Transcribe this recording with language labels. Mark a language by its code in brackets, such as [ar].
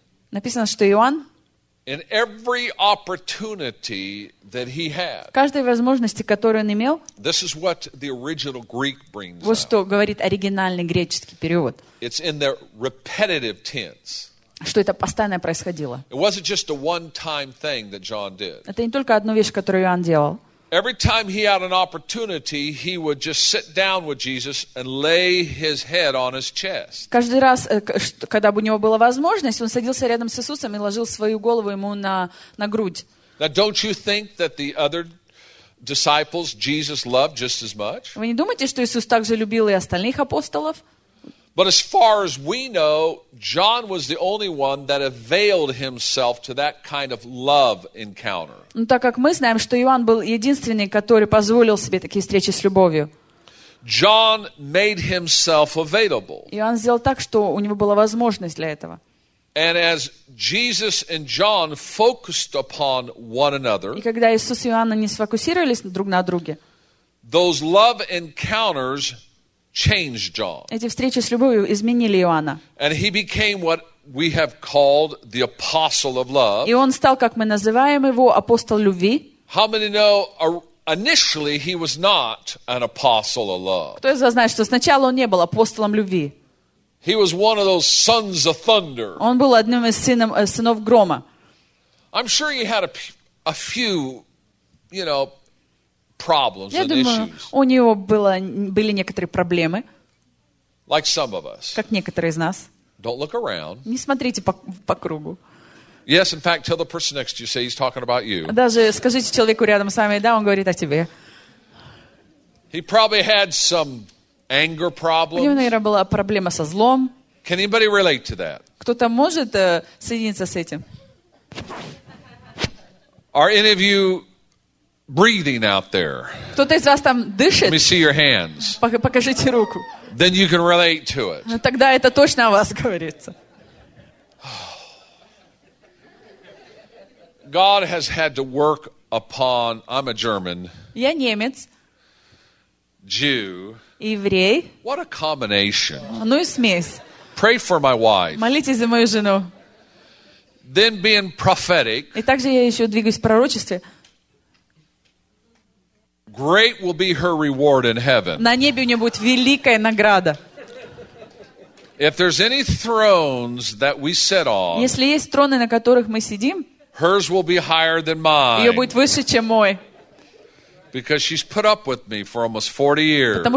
[ru] написано, что Иоанн [en] in every opportunity that he had, [ru] в каждой возможности, которую он имел, [en] this is what the original Greek brings [ru] вот что говорит оригинальный греческий перевод. [en] It's in the repetitive tense. [ru] Что это постоянно происходило. [en] It wasn't just a one-time thing that John did. [ru] Это не только одну вещь, которую Иоанн делал. [en] Every time he had an opportunity, he would just sit down with Jesus and lay his head on his chest. [ru] Каждый раз, когда бы у него была возможность, он садился рядом с Иисусом и ложил свою голову ему на грудь. [en] Now, don't you think that the other disciples Jesus loved just as much? [ru] Вы не думаете, что Иисус также любил и остальных апостолов? [en] But as far as we know, John was the only one that availed himself to that kind of love encounter. [ru] Ну так как мы знаем, что Иоанн был единственный, который позволил себе такие встречи с любовью. [en] John made himself available. [ru] Иоанн сделал так, что у него была возможность для этого. [en] And as Jesus and John focused upon one another, [ru] и когда Иисус и Иоанн не сфокусировались друг на друге, [en] those love encounters changed John. [ru] Эти встречи с любовью изменили Иоанна. [en] And he became what we have called the apostle of love. [ru] И он стал, как мы называем его, апостол любви. [en] How many know initially he was not an apostle of love? [ru] Кто из вас знает, что сначала он не был апостолом любви? [en] He was one of those sons of thunder. [ru] Он был одним из сынов грома. [en] I'm sure he had a few, you know, problems and issues. [ru] Я думаю, у него были некоторые проблемы. [en] Like some of us. [ru] Как некоторые из нас. [en] Don't look around. [ru] Не смотрите по кругу. [en] Yes, in fact, tell the person next to you, say he's talking about you. [ru] Даже скажите человеку рядом с вами, да, он говорит о тебе. [en] He probably had some anger problems. [ru] У него, наверное, была проблема со злом. [en] Can anybody relate to that? [ru] Кто-то может соединиться с этим? [en] Are any of you breathing out there? [ru] Кто-то из вас там дышит? [en] Let me see your hands. [ru] Покажите руку. [en] Then you can relate to it. [ru] Ну, тогда это точно о вас говорится. [en] God has had to work upon. I'm a German. [ru] Я немец. [en] Jew. [ru] Еврей. [en] What a combination. [ru] Ну и смесь. [en] Pray for my wife. [ru] Молитесь за мою жену. [en] Then being prophetic. [ru] И также я еще двигаюсь в пророчестве. [en] Great will be her reward in heaven. [ru] На небе у нее будет великая награда. [en] If there's any thrones that we sit on, [ru] если есть троны, на которых мы сидим, [en] hers will be higher than mine. [ru] Ее будет выше, чем мой. [en] Because she's put up with me for almost 40 years.